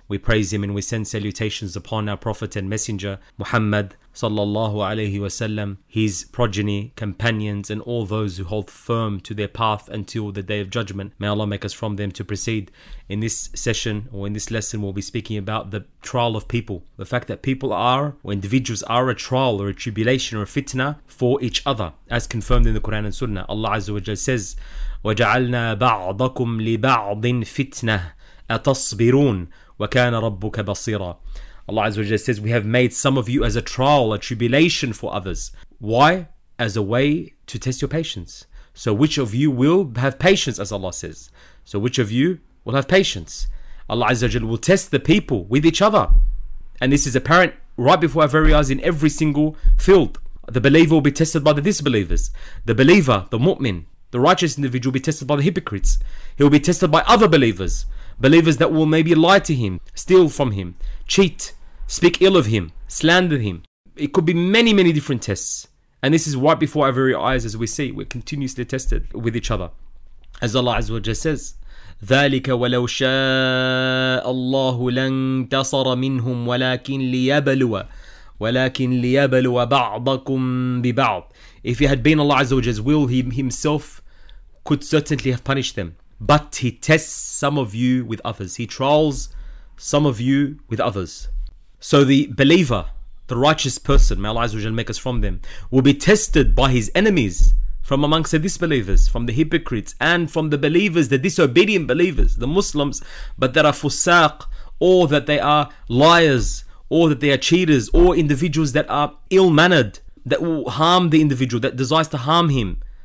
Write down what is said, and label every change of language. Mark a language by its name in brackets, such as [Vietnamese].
[English] We praise Him and we send salutations upon our Prophet and Messenger, Muhammad sallallahu alayhi wa sallam, his progeny, companions, and all those who hold firm to their path until the Day of Judgment. May Allah make us from them to proceed. In this session, or in this lesson, we'll be speaking about the trial of people. The fact that people are, or individuals are, a trial or a tribulation or a fitna for each other, as confirmed in the Quran and Sunnah. Allah Azza wa Jal says, [Arabic] وَجَعَلْنَا بَعْضَكُمْ لِبَعْضٍ فِتْنَةً أَتَصْبِرُونَ وَكَانَ رَبُّكَ بَصِيرًا. [English] Allah Azza wa Jalla says, we have made some of you as a trial, a tribulation for others. Why? As a way to test your patience. So which of you will have patience, as Allah says? So which of you will have patience? Allah Azza wa Jalla will test the people with each other. And this is apparent right before our very eyes in every single field. The believer will be tested by the disbelievers. The believer, the mu'min, the righteous individual will be tested by the hypocrites. He will be tested by other believers. Believers that will maybe lie to him, steal from him, cheat, speak ill of him, slander him. It could be many, many different tests. And this is right before our very eyes as we see. We're continuously tested with each other. As Allah Azza wa Jalla says, [Arabic] ذَلِكَ وَلَوْ شَاءَ اللَّهُ لَنْ تَصَرَ مِنْهُمْ وَلَكِنْ لِيَبَلُوَ بَعْضَكُمْ بِبَعْضٍ. [English] If it had been Allah Azza wa Jalla's will, He Himself could certainly have punished them. But He tests some of you with others. He trials some of you with others. So the believer, the righteous person, may Allah Azza wa Jalla make us from them, will be tested by his enemies from amongst the disbelievers, from the hypocrites, and from the believers, the disobedient believers, the Muslims, but that are fusaq, or that they are liars, or that they are cheaters, or individuals that are ill-mannered, that will harm the individual, that desires to harm him.